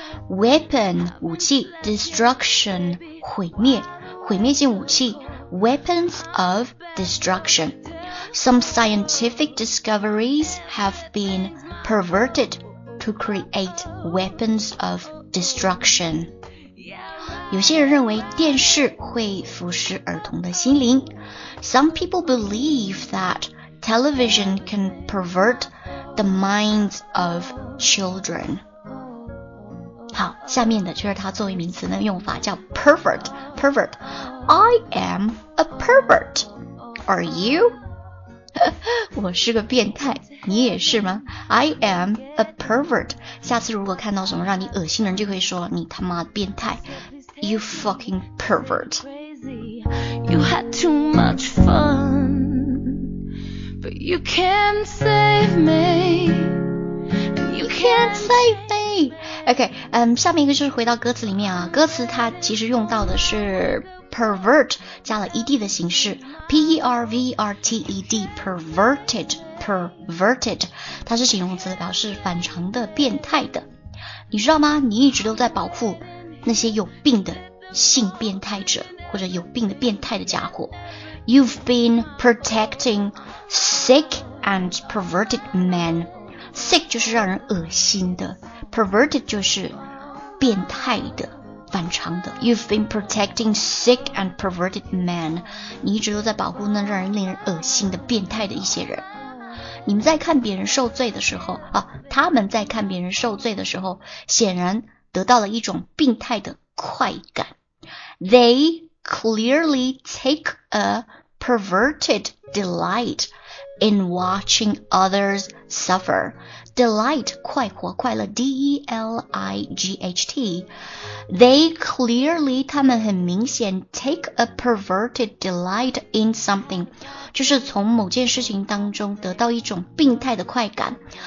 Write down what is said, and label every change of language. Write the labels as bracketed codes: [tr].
[en] Weapon 武器 ，destruction 毁灭，毁灭性武器 ，weapons of destruction. Some scientific discoveries have been perverted. To create weapons of destruction. [zh] 有些人认为电视会腐蚀儿童的心灵。 [en] Some people believe that television can pervert the minds of children. [zh] 好，下面的就是它作为名词的用法，叫 pervert. Pervert. [en] I am a pervert. Are you? [zh] 我是个变态，你也是吗？ [en] I am a pervert. [zh] 下次如果看到什么让你恶心的人，就可以说你他妈变态。 [en] You fucking pervert. You had too much fun, but you can't save me. You can't save me. OK， [zh] 下面一个就是回到歌词里面啊，歌词它其实用到的是pervert 加了 ed 的形式 ，perverted， perverted， 它是形容词，表示反常的、变态的。你知道吗？你一直都在保护那些有病的性变态者或者有病的变态的家伙。 [en] You've been protecting sick and perverted men. [zh] Sick 就是让人恶心的 ，perverted 就是变态的。 [en] 反常的 You've been protecting sick and perverted men. [zh] 你一直都在保护那让人令人恶心的变态的一些人。你们在看别人受罪的时候啊，他们在看别人受罪的时候，显然得到了一种病态的快感。 [en] They clearly take a perverted delight in watching others suffer. Delight, 快活快乐 D-E-L-I-G-H-T. They clearly, [zh] 他们很明显 [en] take a perverted delight in something, [zh] 就是从某件事情当中得到一种病态的快感。